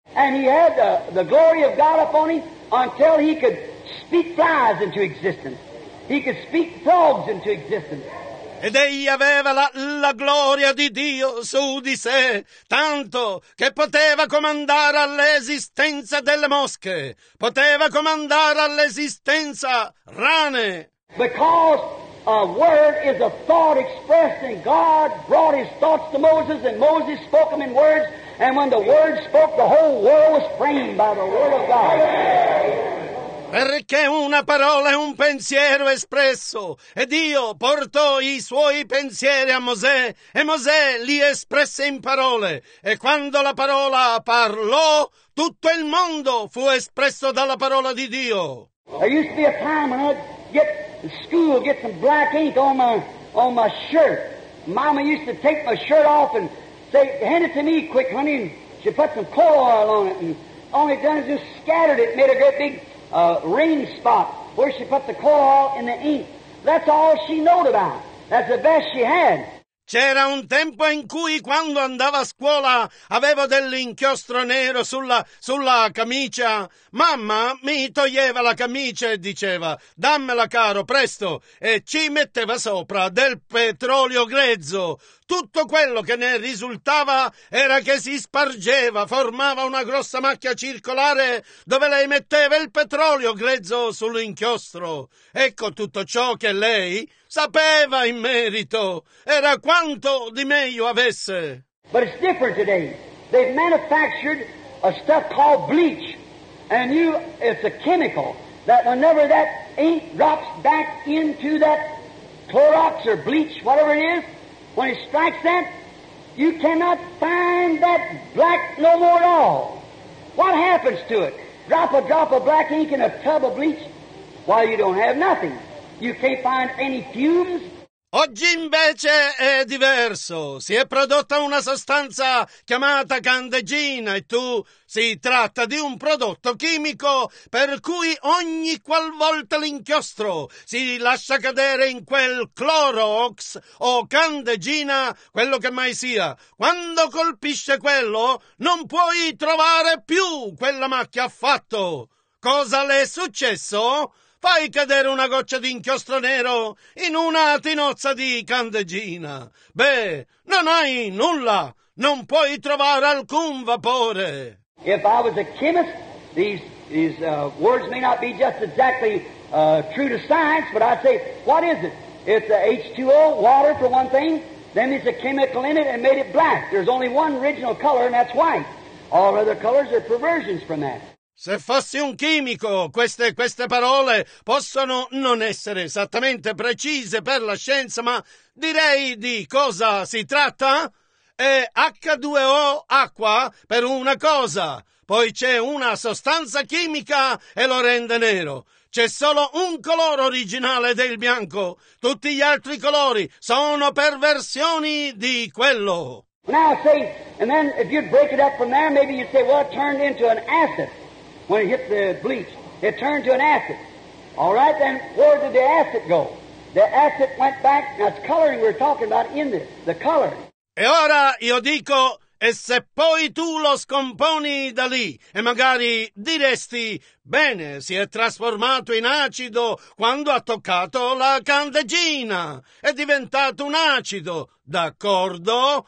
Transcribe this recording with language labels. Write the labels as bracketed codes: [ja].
[en] And he had the glory of God upon him until he could speak flies into existence. He could speak frogs into existence. [it] Ed egli aveva la gloria di Dio su di sé, tanto che poteva comandare all'esistenza delle mosche, poteva comandare all'esistenza rane. [en] Because a word is a thought expressed, and God brought his thoughts to Moses, and Moses spoke them in words, and when the word spoke, the whole world was framed by the word of God. [it] Perché una parola è un pensiero espresso, e Dio portò i suoi pensieri a Mosè, e Mosè li espresse in parole, e quando la parola parlò, tutto il mondo fu espresso dalla parola di Dio. [en] There used to be a time when I'd get to school, get some black ink on my shirt. Mama used to take my shirt off and say, "Hand it to me quick, honey," and she put some coal oil on it, and all it done is just scattered it, made a great big ring spot where she put the coal in the ink. That's all she knowed about. That's the best she had. [it] C'era un tempo in cui, quando andava a scuola, avevo dell'inchiostro nero sulla camicia. Mamma mi toglieva la camicia e diceva, "Dammela, caro, presto," e ci metteva sopra del petrolio grezzo. Tutto quello che ne risultava era che si spargeva, formava una grossa macchia circolare dove lei metteva il petrolio grezzo sull'inchiostro. Ecco tutto ciò che lei sapeva in merito. Era quanto di meglio avesse. [en] But it's different today. They've manufactured a stuff called bleach. And you, it's a chemical that whenever that ink drops back into that Clorox or bleach, whatever it is, when it strikes that, you cannot find that black no more at all. What happens to it? Drop a drop of black ink in a tub of bleach, while you don't have nothing. You can't find any fumes. [it] Oggi invece è diverso. Si è prodotta una sostanza chiamata candeggina e tu si tratta di un prodotto chimico per cui ogni qualvolta l'inchiostro si lascia cadere in quel Clorox o candeggina, quello che mai sia, quando colpisce quello non puoi trovare più quella macchia affatto. Cosa le è successo? Fai cadere una goccia di inchiostro nero in una tinozza di candeggina. Beh, non hai nulla. Non puoi trovare alcun vapore. [en] If I was a chemist, these words may not be just exactly true to science, but I'd say, what is it? It's a H2O, water for one thing. Then there's a chemical in it and made it black. There's only one original color, and that's white. All other colors are perversions from that. [it] Se fossi un chimico, queste parole possono non essere esattamente precise per la scienza, ma direi di cosa si tratta. È H2O, acqua, per una cosa. Poi c'è una sostanza chimica e lo rende nero. C'è solo un colore originale del bianco. Tutti gli altri colori sono perversioni di quello. [en] Now say, and then if you'd break it up from there, maybe you'd say, well, it turned into an acid. When it hit the bleach, it turned to an acid. All right, then where did the acid go? The acid went back. Now it's coloring we're talking about in this. The color. [it] E ora io dico, e se poi tu lo scomponi da lì, e magari diresti, bene, si è trasformato in acido quando ha toccato la candeggina, è diventato un acido, d'accordo?